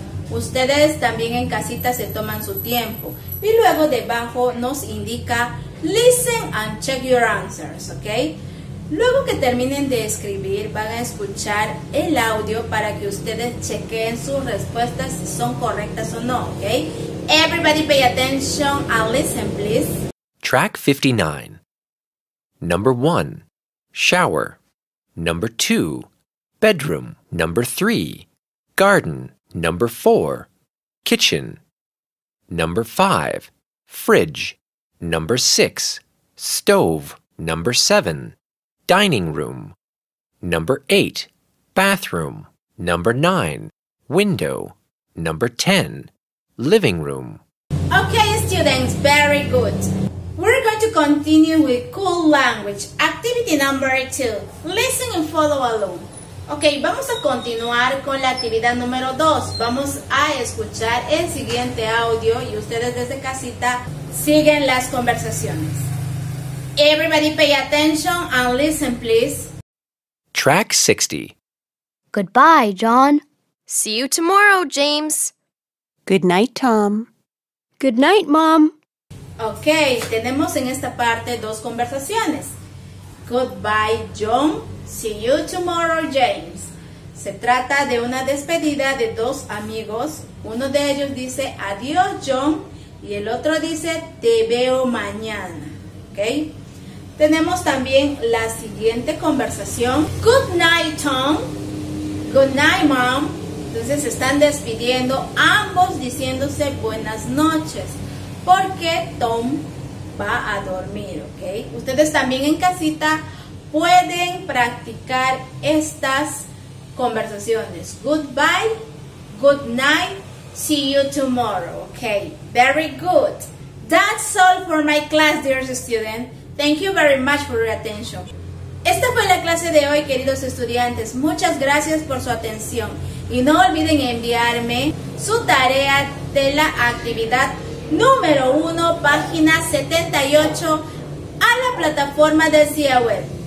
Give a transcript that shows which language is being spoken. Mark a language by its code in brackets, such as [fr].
[es] Ustedes también en casita se toman su tiempo. Y luego debajo nos indica [en] listen and check your answers, [es] ¿ok? Luego que terminen de escribir, van a escuchar el audio para que ustedes chequen sus respuestas si son correctas o no, ¿ok? [en] Everybody pay attention and listen, please. Track 59. Number 1. Shower. Number 2. Bedroom. Number 3. Garden. Number 4. Kitchen. Number 5. Fridge. Number 6. Stove. Number 7. Dining room. Number 8. Bathroom. Number 9. Window. Number 10. Living room. Okay, students, very good. We're going to continue with cool language. Activity number 2. Listen and follow along. [es] Ok, vamos a continuar con la actividad número 2. Vamos a escuchar el siguiente audio y ustedes desde casita siguen las conversaciones. [en] Everybody pay attention and listen, please. Track 60. Goodbye, John. See you tomorrow, James. Good night, Tom. Good night, Mom. [es] Ok, tenemos en esta parte dos conversaciones. [en] Goodbye, John. See you tomorrow, James. [es] Se trata de una despedida de dos amigos. Uno de ellos dice, adiós, John. Y el otro dice, te veo mañana. ¿Okay? Tenemos también la siguiente conversación. [en] Good night, Tom. Good night, Mom. [es] Entonces, se están despidiendo ambos diciéndose buenas noches. Porque Tom va a dormir. ¿Okay? Ustedes también en casita pueden practicar estas conversaciones. [en] Goodbye, good night, see you tomorrow. Okay, very good. That's all for my class, dear student. Thank you very much for your attention. [es] Esta fue la clase de hoy, queridos estudiantes. Muchas gracias por su atención. Y no olviden enviarme su tarea de la actividad número 1, página 78, a la plataforma de CIA Web.